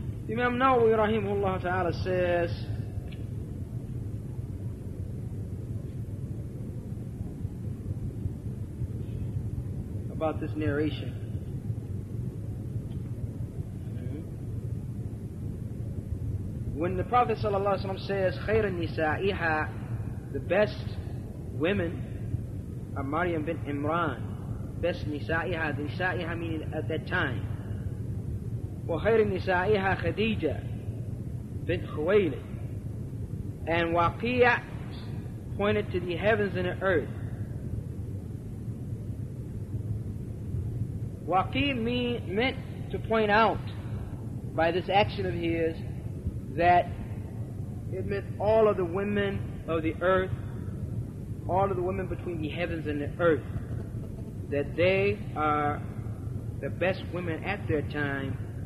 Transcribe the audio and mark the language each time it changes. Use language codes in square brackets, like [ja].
[en] Imam Nawawi rahimahullah ta'ala says, about this narration, when the Prophet sallallahu alaihi wasallam says, [ar] Khayr al-Nisa'iha, [en] the best women are Maryam bin Imran, best Nisa'iha, the Nisa'iha meaning at that time. [ar] وخير نسائها خديجة بنت خويلد. [en] And Waqi'a pointed to the heavens and the earth. Waqi'a meant to point out by this action of his that it meant all of the women of the earth, all of the women between the heavens and the earth, that they are the best women at their time.